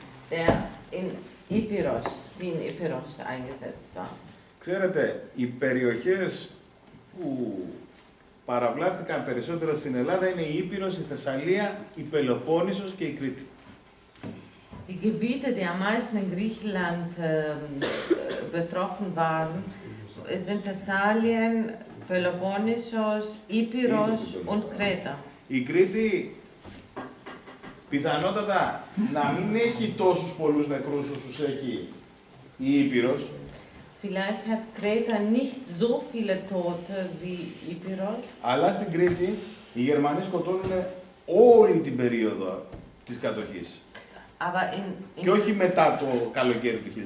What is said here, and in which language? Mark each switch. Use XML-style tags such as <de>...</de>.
<de>Der in Epiros, die in Epiros eingesetzt war.</de> <el>Ξέρετε, οι περιοχές που παραβλάφθηκαν περισσότερο στην Ελλάδα είναι η Ήπειρος, η Θεσσαλία, η Πελοπόννησος και η Κρήτη.</el> <de>Die Gebiete, die am meisten in Griechenland betroffen waren, sind Thessalien, Peloponnesos, Ήπειρος und Kreta.</de> <el>Η Κρήτη πιθανότατα να μην έχει τόσους πολλούς νεκρούς όσους έχει η Ήπειρος.</el> <de>Vielleicht hat Kreta nicht so viele Tote wie Ήπειρος.</de> <el>Αλλά στην Κρήτη οι Γερμανοί σκοτώνουν όλη την περίοδο της κατοχής.</el> <de>Aber in,</de> <el>και όχι μετά το καλοκαίρι του 1940.</el>